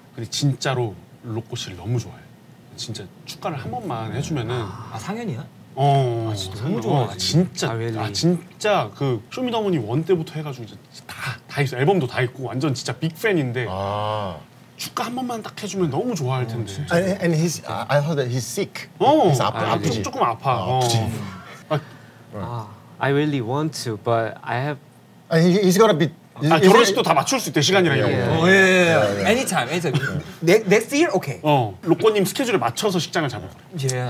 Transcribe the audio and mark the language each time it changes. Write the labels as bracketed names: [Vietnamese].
[Korean] 근데 진짜로 로꼬 씨를 너무 좋아해. 진짜 축가를 한 번만 해주면은. 아 상현이야? 어. 아, 진짜 너무 좋아. 진짜. [English] 아, really? [Korean] 아 진짜 그 쇼미더머니 원 때부터 해가지고 다 있어. 앨범도 다 있고 완전 진짜 빅 팬인데. 아. 축가 한 번만 딱 해주면 너무 좋아할 텐데. [English] Oh, and he's, I heard that he's sick. [Korean] 어, [English] he's [Korean] 아파. 아프지. 조금 아파. 아, 아프지. [English] 아, I really want to, but I have. He's gonna be. [Korean] 아, 결혼식도 다 맞출 수 있대 시간이랑 이런 거. [English] 예, 예, 예. Anytime, anytime. Next year, okay. [Korean] 어, 로꼬님 스케줄에 맞춰서 식장을 잡을 거야.